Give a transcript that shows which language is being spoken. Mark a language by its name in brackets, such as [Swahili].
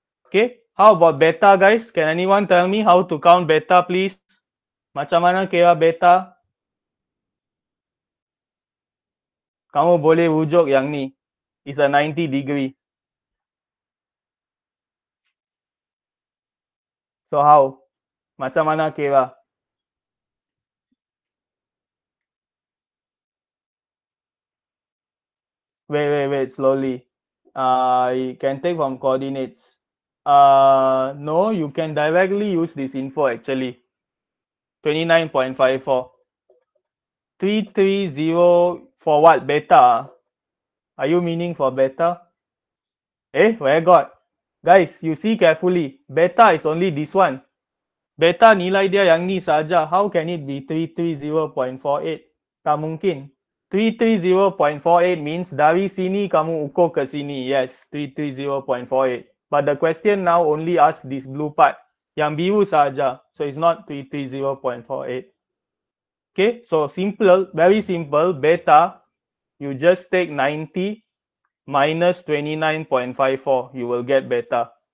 [English] Okay, how about beta, guys? Can anyone tell me how to count beta, please? [Malay] Macam mana kira beta? Kamu boleh rujuk yang ni. [English] It's a 90 degree. So how? [Malay] Macam mana kira? [English] Wait, slowly. You can take from coordinates. No, you can directly use this info actually. 29.54. 330 for what? Beta? Are you meaning for beta? Eh, where got? Guys, you see carefully. Beta is only this one. [Malay] Beta nilai dia yang ni saja. [English] How can it be 330.48? [Malay] Tak mungkin. 330.48 means dari sini kamu ukur ke sini. [English] Yes, 330.48. But the question now only asks this blue part. [Malay] Yang biru saja. [English] So it's not 330.48. Okay, so simple, very simple, beta, you just take 90 minus 29.54, you will get beta.